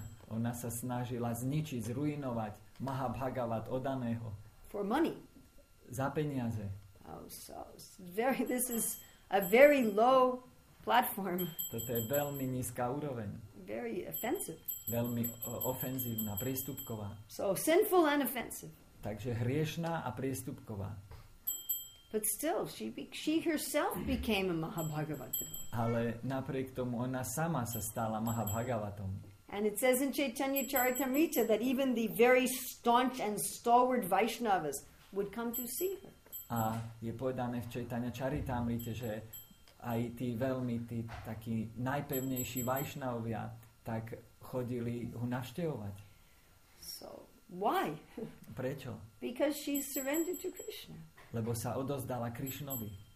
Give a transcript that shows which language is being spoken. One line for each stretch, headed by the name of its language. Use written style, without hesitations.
Slovak: Ona sa snažila zničiť, zruinovať Mahabhagavat odaného.
English: For money.
Slovak: Za peniaze.
English: Oh, so very, this is a very low platform.
Slovak: Toto je veľmi nízka úroveň.
English: Very offensive.
Slovak: Veľmi ofenzívna, priestupková.
English: So sinful and offensive.
Slovak: Takže hriešná a priestupková.
English: But still, she herself became a Mahabhagavat.
Slovak: Ale napriek tomu ona sama sa stala Mahabhagavatom.
English: And it says in Chaitanya Charitamrita that even the very staunch and stalwart Vaishnavas would come to see her.
Slovak: A je povedané v Chaitanya Charitamrite, že aj tí veľmi tí takí najpevnejší Vaishnavovia tak chodili ho navštevovať.
English: So, why?
Slovak: Prečo?
English: Because she surrendered to Krishna.
Slovak: Lebo sa odozdala Krishnovi.